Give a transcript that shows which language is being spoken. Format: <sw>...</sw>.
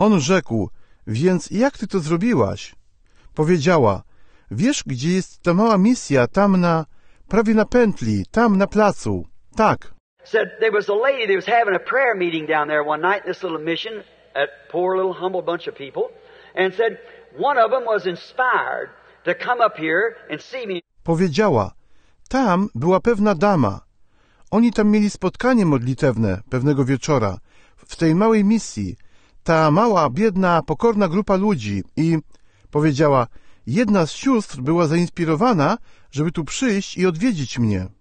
<pl>On rzekł, więc jak ty to zrobiłaś? Powiedziała, wiesz, gdzie jest ta mała misja, tam na, prawie na pętli, tam na placu. Tak.</pl> <en>Said there was a lady that was having a prayer meeting down there one night in this little mission, a poor little humble bunch of people, and said one of them was inspired to come up here and see me.</en> <pl>Powiedziała, tam była pewna dama. Oni tam mieli spotkanie modlitewne pewnego wieczora w tej małej misji. Ta mała, biedna, pokorna grupa ludzi i powiedziała, jedna z sióstr była zainspirowana, żeby tu przyjść i odwiedzić mnie.</pl>